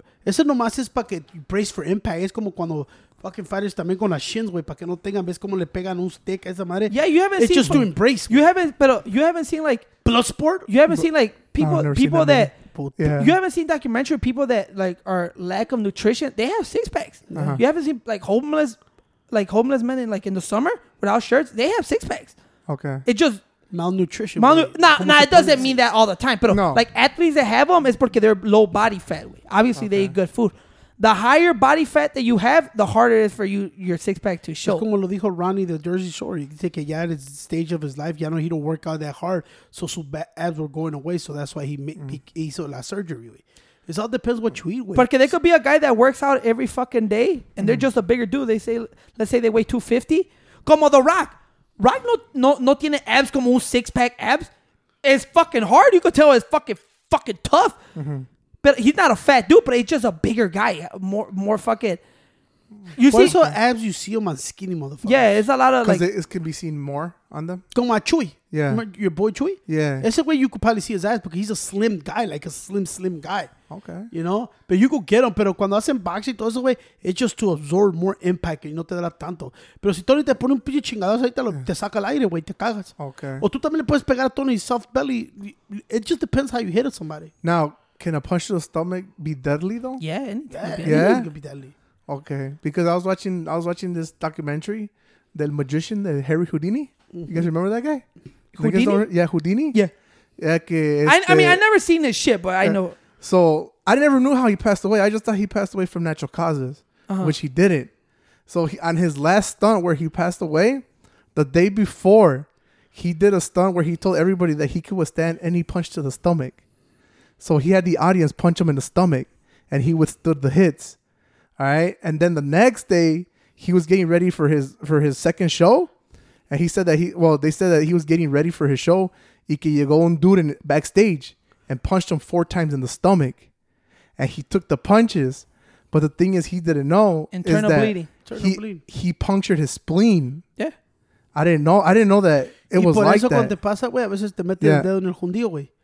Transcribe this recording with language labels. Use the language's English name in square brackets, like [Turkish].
[Spanish] Eso nomás es para que brace for impact. Es como cuando fucking fighters también con las shins, güey, para que no tengan, ves cómo le pegan un stick a esa madre. [English] Yeah, you haven't it's seen just doing brace. You haven't, pero you haven't seen like Bloodsport. You haven't seen like people that you haven't seen documentary people that like are lack of nutrition. They have six packs. Uh-huh. You haven't seen like homeless men in like in the summer without shirts. They have six packs. Okay. It just malnutrition. It doesn't mean that all the time. But no. Like athletes that have them is because they're low body fat. Obviously, okay. They eat good food. The higher body fat that you have, the harder it is for you your six pack to show. Es como lo dijo Ronnie the Jersey Shore. You can take it. Yeah, at the stage of his life, yeah, no, he don't work out that hard, so his abs were going away. So that's why he hizo la surgery. It all depends what you eat with. Porque there could be a guy that works out every fucking day, and they're just a bigger dude. They say, let's say they weigh 250. Como The Rock. [Spanish] Rock no tiene abs como un six pack abs. [English] It's fucking hard. You could tell it's fucking tough. Mm-hmm. But he's not a fat dude, but he's just a bigger guy. More fucking. You see, so abs, you see him on skinny motherfuckers. Yeah, it's a lot of like. Because it can be seen more on them. [Spanish] Como a Chuy. [English] Yeah. Your boy Chuy? Yeah. That's the way you could probably see his abs because he's a slim guy, like a slim, slim guy. Okay. You know? But you could get him. Pero cuando hacen boxing, todo ese way, it's just to absorb more impact and no te da tanto. [Spanish] Pero si Tony te pone un pinche chingadazo, ahí te saca el aire, güey, te cagas. [English] Okay. [Spanish] O tú también le puedes pegar a Tony soft belly. [English] It just depends how you hit somebody. Now. Can a punch to the stomach be deadly, though? Yeah. Anything could be deadly. Okay. Because I was watching this documentary, the magician, the Harry Houdini. Mm-hmm. You guys remember that guy? Houdini? Yeah. Yeah. Que I never seen his shit, but I know. So I never knew how he passed away. I just thought he passed away from natural causes, which he didn't. So on his last stunt where he passed away, the day before, he did a stunt where he told everybody that he could withstand any punch to the stomach. So he had the audience punch him in the stomach and he withstood the hits. All right. And then the next day he was getting ready for his second show. And he said that they said that he was getting ready for his show. Y que llegó un dude in backstage and punched him four times in the stomach. And he took the punches. But the thing is, he didn't know. Internal bleeding. He punctured his spleen. Yeah. I didn't know that it was like that. Y por eso [Spanish] cuando pasa, güey, a veces te mete el dedo en el jundillo, güey.